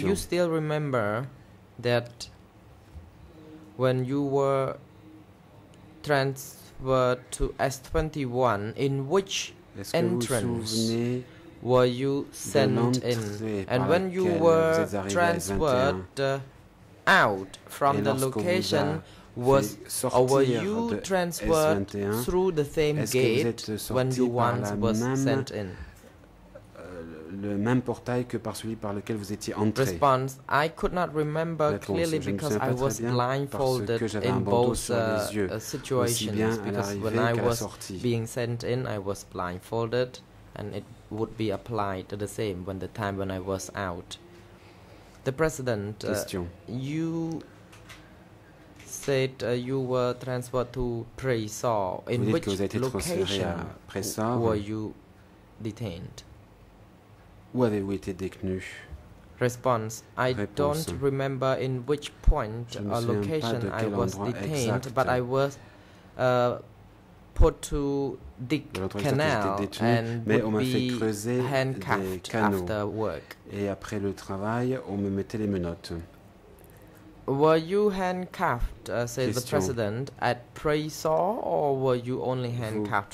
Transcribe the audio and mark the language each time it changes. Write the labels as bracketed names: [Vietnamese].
[English] Do you still remember that when you were transferred to S21, in which entrance were you sent in? And when you were transferred out from the location, were you transferred through the same gate when you once were sent in? [French] Le même portail que par celui par lequel vous étiez entré. [English] Response, I could not remember clearly because I was blindfolded in both situations because when I was being sent in, I was blindfolded and it would be applied the same when the time when I was out. The president, you said you were transferred to Presor. In which location were you detained? [French] Où avez-vous été détenu? [English] Response. I [French] réponse. [English] Don't remember in which point or location I was detained, [French] exact. [English] But I was put to the canal and would be handcuffed after work. [French] Et après le travail, on me mettait les menottes. [English] Were you handcuffed, says [French] question. [English] The president, at Presor, or were you only handcuffed